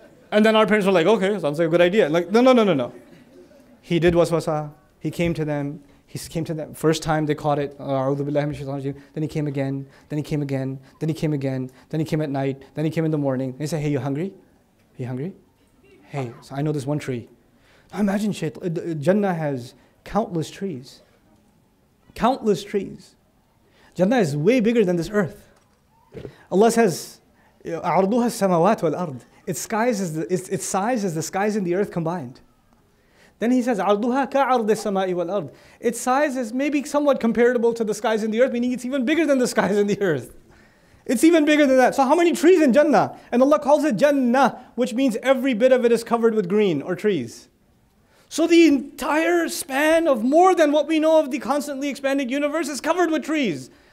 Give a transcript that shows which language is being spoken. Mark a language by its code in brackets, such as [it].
[en] And then our parents were like, okay, sounds like a good idea. Like, no. He did waswasa, he came to them, he came to them, first time they caught it, then he came again, then he came at night, then he came in the morning. They say, hey, you hungry? Are you hungry? Hey, so I know this one tree. Now imagine Jannah has countless trees. Countless trees. Jannah is way bigger than this earth. Allah says, [ar] أَعْرْضُهَا السَّمَوَاتُ وَالْأَرْضِ. [en] Its size is the skies and the earth combined. Then he says, [ar] عَرْضُهَا كَعَرْضِ السَّمَاءِ وَالْأَرْضِ. [en] Its size is maybe somewhat comparable to the skies and the earth, meaning it's even bigger than the skies and the earth. It's even bigger than that. So how many trees in Jannah? And Allah calls it Jannah, which means every bit of it is covered with green or trees. So the entire span of more than what we know of the constantly expanded universe is covered with trees.